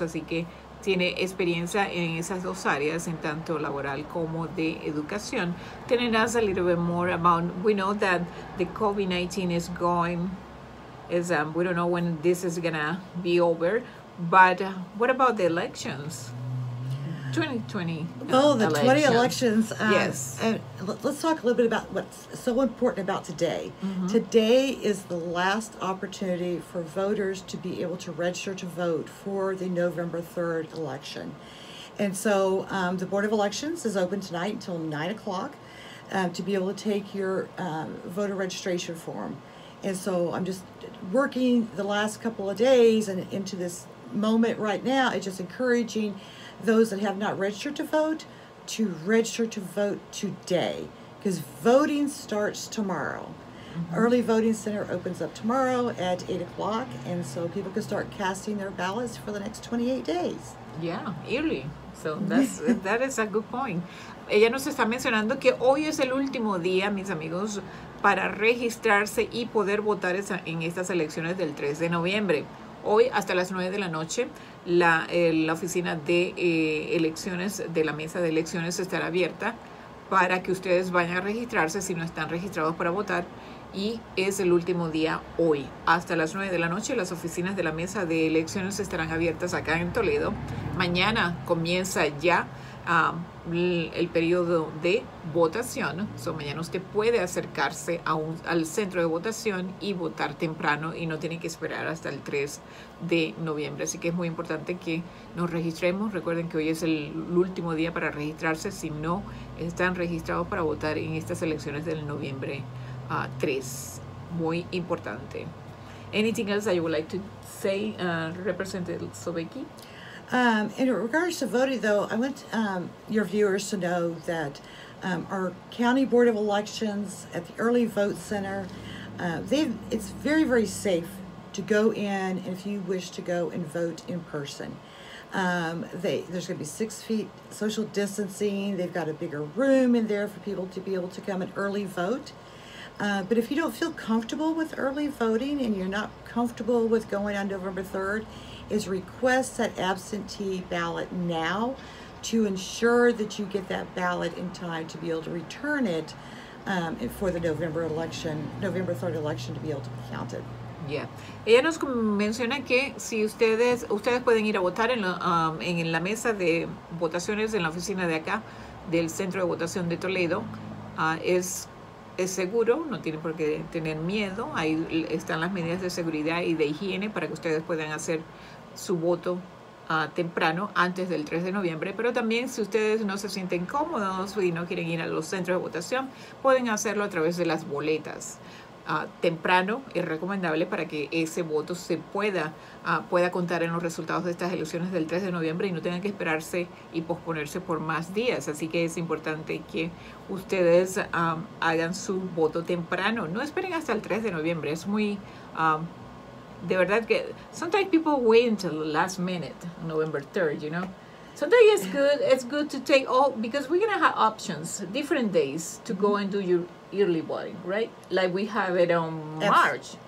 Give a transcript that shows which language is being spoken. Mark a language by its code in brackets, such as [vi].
[es] Así que tiene experiencia en esas dos áreas, en tanto laboral como de educación. [en] Telling us a little bit more about, we know that the COVID-19 is going, we don't know when this is gonna be over, but what about the elections? 2020. Oh, the 2020 elections. Yes. Let's talk a little bit about what's so important about today. Mm-hmm. Today is the last opportunity for voters to be able to register to vote for the November 3rd election. And so the Board of Elections is open tonight until 9 o'clock to be able to take your voter registration form. And so I'm just working the last couple of days and into this moment right now. It's just encouraging those that have not registered to register to vote today, because voting starts tomorrow. Mm-hmm. Early voting center opens up tomorrow at 8 o'clock, and so people can start casting their ballots for the next 28 days. Yeah, early. So that's that is a good point. [es] Ella nos está mencionando que hoy es el último día, mis amigos, para registrarse y poder votar en estas elecciones del 3 de noviembre. Hoy hasta las 9 de la noche, la oficina de elecciones, de la mesa de elecciones, estará abierta para que ustedes vayan a registrarse si no están registrados para votar. Y es el último día hoy. Hasta las 9 de la noche, las oficinas de la mesa de elecciones estarán abiertas acá en Toledo. Mañana comienza ya el periodo de votación. So, mañana usted puede acercarse a un, al centro de votación y votar temprano y no tiene que esperar hasta el 3 de noviembre. Así que es muy importante que nos registremos. Recuerden que hoy es el último día para registrarse si no están registrados para votar en estas elecciones del noviembre 3. Muy importante. [en] Anything else that you would like to say, Representative Sobecki? In regards to voting, though, I want your viewers to know that our County Board of Elections at the Early Vote Center, it's very, very safe to go in if you wish to go and vote in person. There's going to be 6 feet social distancing. They've got a bigger room in there for people to be able to come and early vote. But if you don't feel comfortable with early voting and you're not comfortable with going on November 3rd, is request that absentee ballot now to ensure that you get that ballot in time to be able to return it for the November election, November 3rd election, to be able to be counted. Yeah. [es] Ella nos menciona que si ustedes pueden ir a votar en la mesa de votaciones en la oficina de acá del Centro de Votación de Toledo, es seguro, no tienen por qué tener miedo. Ahí están las medidas de seguridad y de higiene para que ustedes puedan hacer su voto temprano, antes del 3 de noviembre. Pero también, si ustedes no se sienten cómodos y no quieren ir a los centros de votación, pueden hacerlo a través de las boletas. Temprano es recomendable para que ese voto se pueda contar en los resultados de estas elecciones del 3 de noviembre y no tengan que esperarse y posponerse por más días. Así que es importante que ustedes hagan su voto temprano. No esperen hasta el 3 de noviembre. Es muy... De verdad que, [en] sometimes people wait until the last minute, November 3rd, you know. Sometimes it's good to take all, because we're going to have options, different days to go and do your early voting, right? Like we have it on March.